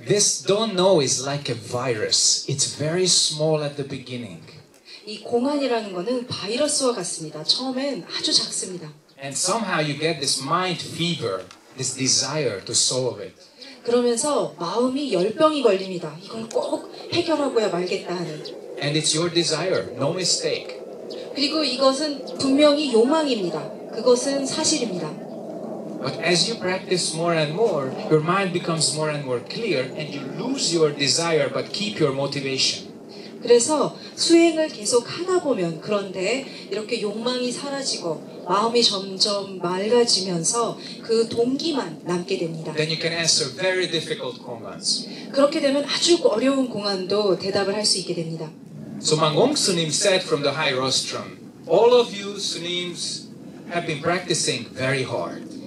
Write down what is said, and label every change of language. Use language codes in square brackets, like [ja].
[en] This don't know is like a virus. It's very small at the beginning. [ko] 이 공안이라는 것은 바이러스와 같습니다. 처음엔 아주 작습니다. [en] And somehow you get this mind fever, this desire to solve it. [ko] 그러면서 마음이 열병이 걸립니다. 이걸 꼭 해결하고야 말겠다 하는. [en] And it's your desire, no mistake. [ko] 그리고 이것은 분명히 욕망입니다. 그것은 사실입니다. [en] But as you practice more and more, your mind becomes more and more clear and you lose your desire but keep your motivation. [ko] 그래서 수행을 계속 하다 보면 그런데 이렇게 욕망이 사라지고 마음이 점점 맑아지면서 그 동기만 남게 됩니다. [en] Then you can answer very difficult kongans. [ko] 그렇게 되면 아주 어려운 공안도 대답을 할 수 있게 됩니다. [en] So Mangong Sunim said from the high rostrum, all of you Sunims have been practicing very hard.